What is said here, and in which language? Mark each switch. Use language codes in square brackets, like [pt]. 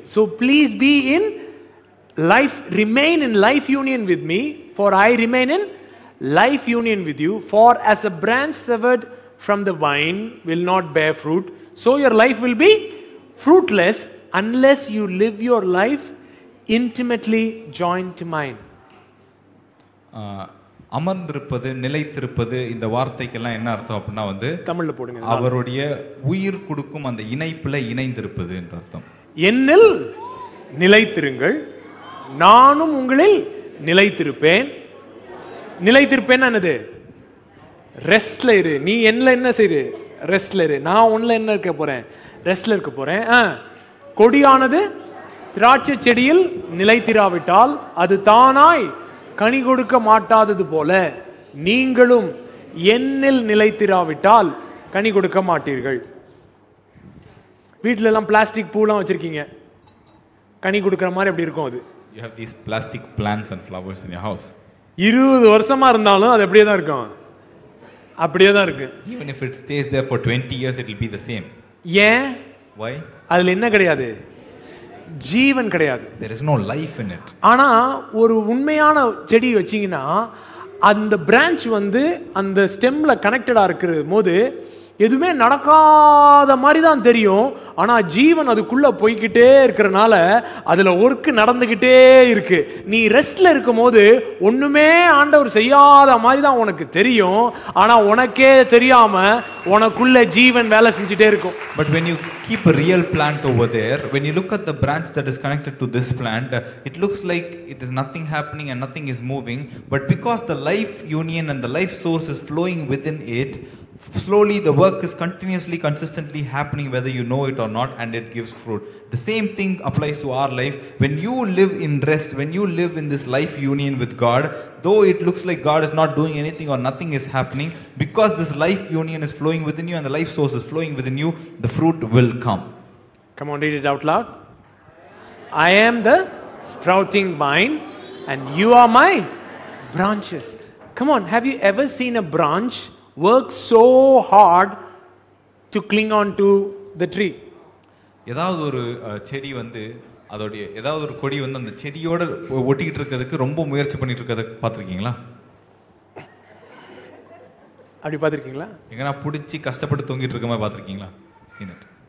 [en] So please be in life, remain in life union with me, for I remain in life union with you. For as a branch severed from the vine will not bear fruit, so your life will be fruitless unless you live your life intimately joined to mine. [ta] அமர்ந்திருப்பது நிலைத்திருப்பது இந்த வார்த்தைக்கெல்லாம் என்ன அர்த்தம் அப்படின்னா வந்து தமிழ்ல போடுங்க, அவருடைய உயிர் கொடுக்கும் அந்த இணைப்புல இணைந்திருப்பது என்ற அர்த்தம். என்னில் நிலைத்திருங்கள், நானும் உங்களில் நிலைத்திருப்பேன். நிலைத்திருப்பேன் என்னது? ரெஸ்ட்ல இரு. நீ என்ன என்ன செய்யு? ரெஸ்ட்ல இரு. நான் உன்ல என்ன இருக்க போறேன்? ரெஸ்ட்ல இருக்க போறேன். கொடியானது திராட்சை செடியில் நிலைத்திராவிட்டால் அது தானாய் கனி கொடுக்க மாட்டாதது போல நீங்களும் என்னில் நிலைத்திராவிட்டால் கனி கொடுக்க மாட்டீர்கள். வீட்டில எல்லாம் பிளாஸ்டிக் பூலாம் வச்சிருக்கீங்க, கனி கொடுக்கிற மாதிரி எப்படி இருக்கும் அது? [en] You have these plastic plants and flowers in your house. [ta] 20 வருஷமா இருந்தாலும் அது அப்படியே தான் இருக்கும். அப்படியே தான் இருக்கு. [en] Even if it stays there for 20 years it will be the same. [ta] ஏன்? [en] Why? [ta] அதுல என்ன கிடையாது? ஜீவன் கிடையாது. [en] There is no life in it. [ta] ஆனா ஒரு உண்மையான செடி வச்சீங்கனா அந்த பிரான்ச் வந்து அந்த ஸ்டெம்ல கனெக்டடா இருக்கும்போது எதுவுமே நடக்காத மாதிரி தான் தெரியும். ஆனா ஜீவன் அதுக்குள்ள போய்கிட்டே இருக்கிறனால அதுல ஒர்க் நடந்துகிட்டே இருக்கு. நீ ரெஸ்ட்ல இருக்கும் போது ஒண்ணுமே ஆண்டவர் செய்யாத மாதிரி தான் உனக்கு தெரியும். ஆனா உனக்கே தெரியாம உனக்குள்ள ஜீவன் வேலை செஞ்சுட்டே இருக்கும். [en] But when you keep a real plant over there, when you look at the branch that is connected to this plant, it looks like it is nothing happening and nothing is moving. But because the life union and the life source is flowing within it, slowly the work is continuously consistently happening whether you know it or not, and it gives fruit. The same thing applies to our life. When you live in rest, when you live in this life union with God, though it looks like God is not doing anything or nothing is happening, because this life union is flowing within you and the life source is flowing within you, the fruit will come. Come on, read it out loud. I am the sprouting vine and you are my branches. Come on, have you ever seen a branch work so hard to cling on to the tree? [ta] ஏதாவது ஒரு செடி வந்து அதோடைய ஏதாவது ஒரு கொடி வந்து அந்த செடியோட ஒட்டிக்கிட்டு இருக்கிறதுக்கு ரொம்ப முயற்சி பண்ணிட்டு இருக்கிறத பாத்திருக்கீங்களா? அப்படி பாத்திருக்கீங்களா? எங்கன்னா பிடிச்சி கஷ்டப்பட்டு தொங்கிட்டு இருக்க மாதிரி பாத்திருக்கீங்களா? [en] Seen it.